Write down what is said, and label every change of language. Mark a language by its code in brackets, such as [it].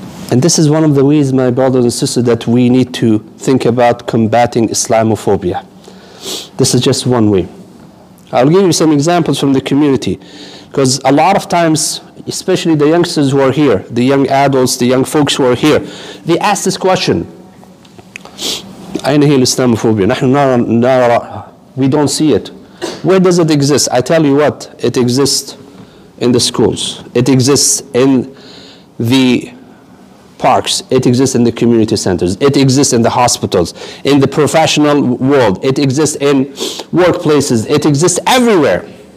[en] And this is one of the ways, my brothers and sisters, that we need to think about combating Islamophobia. This is just one way. I'll give you some examples from the community. Because a lot of times, especially the youngsters who are here, the young adults, the young folks who are here, they ask this question. [ar] أين هي الإسلاموفوبيا؟ نحن نرى. [en] We don't see it. Where does it exist? I tell you what, it exists in the schools. It exists in the parks. It exists in the community centers. It exists in the hospitals, in the professional world. It exists in workplaces. It exists everywhere.